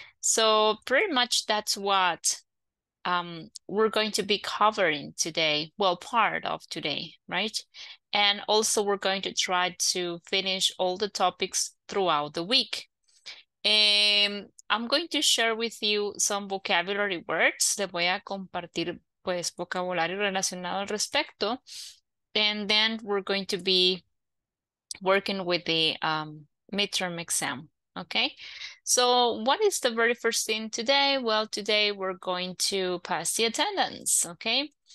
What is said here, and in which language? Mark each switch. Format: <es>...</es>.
<en>So pretty much that's what we're going to be covering today, well, part of today, right? And also we're going to try to finish all the topics throughout the week. I'm going to share with you some vocabulary words.</en> <es>Le voy a compartir pues vocabulario relacionado al respecto.</es> <en>And then we're going to be working with the midterm exam. Okay, so what is the very first thing today? Well, today we're going to pass the attendance, okay?</en>